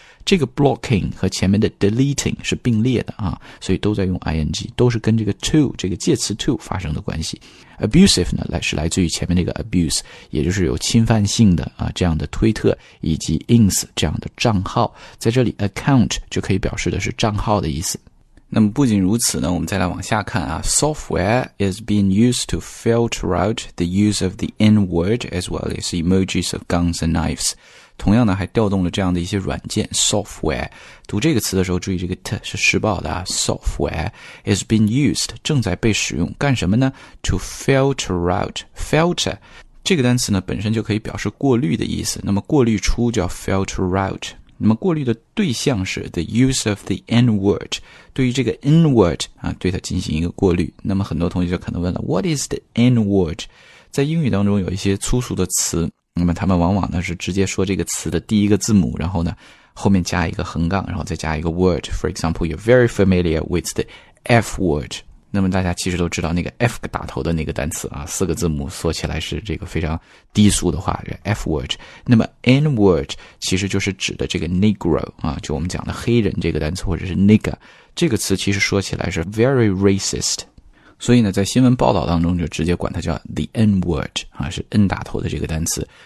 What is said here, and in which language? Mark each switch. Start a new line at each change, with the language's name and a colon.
Chinese: 这个 blocking 和前面的 deleting 是并列的啊，所以都在用 ing， 都是跟这个 to 这个介词 to 发生的关系。 abusive 呢来是来自于前面那个 abuse， 也就是有侵犯性的啊，这样的推特以及 ins 这样的账号，在这里 account 就可以表示的是账号的意思。那么不仅如此呢，我们再来往下看啊。
English: Software is being used to filter out the use of the N-word as well as emojis of guns and knives.
Chinese: 同样呢，还调动了这样的一些软件 software。读这个词的时候，注意这个 t 是时报的啊。
English: Software is being used，
Chinese: 正在被使用，干什么呢 ？
English: To filter out，
Chinese: filter 这个单词呢，本身就可以表示过滤的意思。那么过滤出叫 filter out。那么过滤的对象是
English: the use of the N-word，
Chinese: 对于这个 N-word 啊，对它进行一个过滤。那么很多同学就可能问了
English: What is the N-word？
Chinese: 在英语当中有一些粗俗的词，那么他们往往呢是直接说这个词的第一个字母，然后呢后面加一个横杠，然后再加一个 word。
English: For example, you're very familiar with the F-word。
Chinese: 那么大家其实都知道那个 F 打头的那个单词啊，四个字母缩起来是这个非常低俗的话 F word。那么 N word 其实就是指的这个 Negro 啊，就我们讲的黑人这个单词，或者是 Nigger 这个词，其实说起来是
English: very racist，
Chinese: 所以呢在新闻报道当中就直接管它叫
English: the N word
Chinese: 啊，是 N 打头的这个单词。